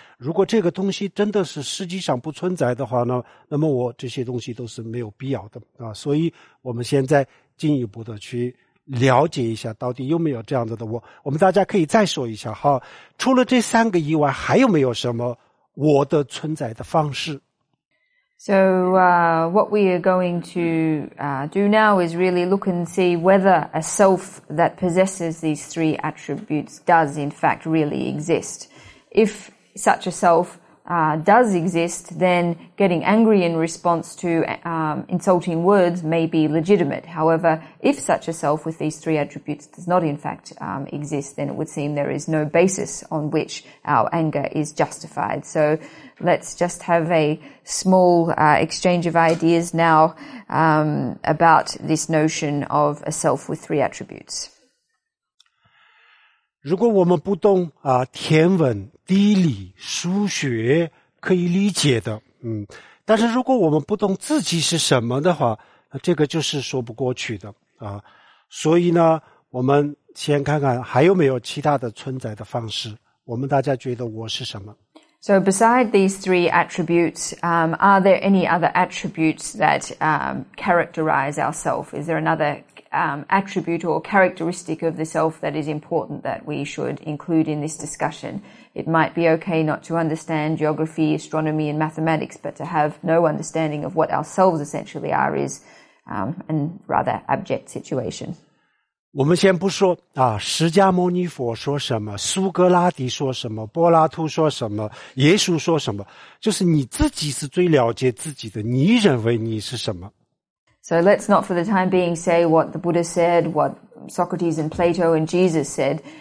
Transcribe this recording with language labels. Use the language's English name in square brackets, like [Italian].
[Chinese] 如果这个东西真的是实际上不存在的话呢，那么我这些东西都是没有必要的啊。所以我们现在进一步的去了解一下到底有没有这样子的我，我们大家可以再说一下哈。除了这三个以外，还有没有什么我的存在的方式 [English] ？So, what we are going to do now is really look and see whether a self that possesses these three attributes does in fact really exist. If such a self does exist, then getting angry in response to insulting words may be legitimate. However, if such a self with these three attributes does not in fact exist, then it would seem there is no basis on which our anger is justified. So let's just have a small exchange of ideas now about this notion of a self with three attributes. [Chinese] 如果我们不懂啊天文地理数学可以理解的，但是如果我们不懂自己是什么的话，这个就是说不过去的啊。所以呢，我们先看看还有没有其他的存在的方式。我们大家觉得我是什么 [English] ？So beside these three attributes, are there any other attributes that characterize ourselves? Is there another attribute or characteristic of the self that is important that we should include in this discussion? It might be okay not to understand geography, astronomy, and mathematics, but to have no understanding of what ourselves essentially are is a rather abject situation. [Chinese] 我们先不说啊，释迦牟尼佛说什么，苏格拉底说什么，柏拉图说什么，耶稣说什么，就是你自己是最了解自己的，你认为你是什么。 [English] So let's not for the time being say what the Buddha said, what Socrates and Plato and Jesus said.